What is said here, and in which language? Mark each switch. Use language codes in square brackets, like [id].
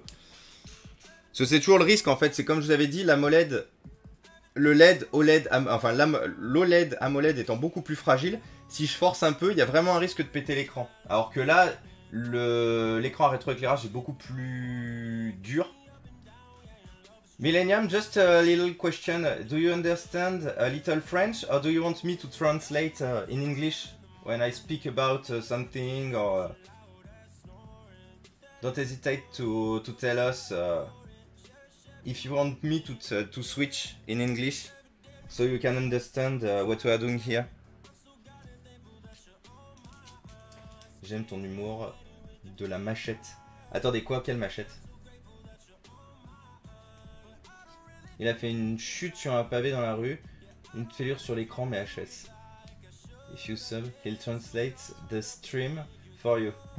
[fr] Parce que c'est toujours le risque en fait, c'est comme je vous avais dit, l'AMOLED, le LED, OLED, enfin l'OLED AMOLED étant beaucoup plus fragile, si je force un peu, il y a vraiment un risque de péter l'écran. Alors que là, l'écran à rétroéclairage est beaucoup plus dur. [en] Millennium, just a little question. Do you understand a little French or do you want me to translate in English when I speak about something or. Don't hesitate to tell us. If you want me to switch in English, so you can understand what we are doing here. [fr] J'aime ton humour de la machette. Attendez, quoi? Quelle machette? Il a fait une chute sur un pavé dans la rue, une fêlure sur l'écran, mais HS. [en] If you sub, he'll translate the stream for you.